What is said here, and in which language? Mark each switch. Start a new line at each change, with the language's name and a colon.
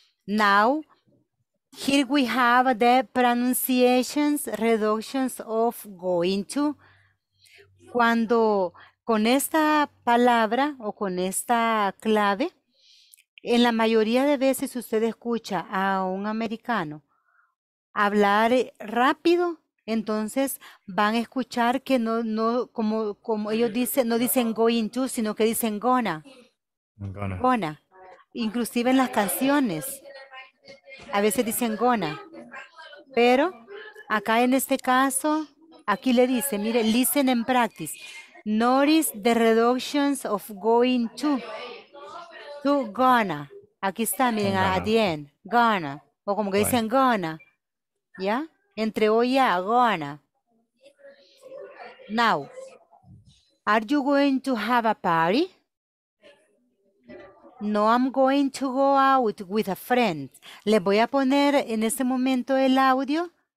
English: Now, here we have the pronunciations, reductions of going to.
Spanish: Cuando con esta palabra o con esta clave, en la mayoría de veces usted escucha a un americano hablar rápido, entonces van a escuchar que no como ellos dicen, no dicen going to, sino que dicen gonna.
English: Gonna.
Spanish: Inclusive en las canciones. A veces dicen gonna. Pero acá en este caso, aquí le dice, mire,
English: listen and practice. Notice the reductions of going to gonna.
Spanish: Aquí está, miren,
English: at the end.
Spanish: Gonna. O como que dicen gonna. ¿Ya? Entre hoy ya, gonna.
English: Now, are you going to have a party? No, I'm going to go out with a friend.
Spanish: Les voy a poner en este momento el audio.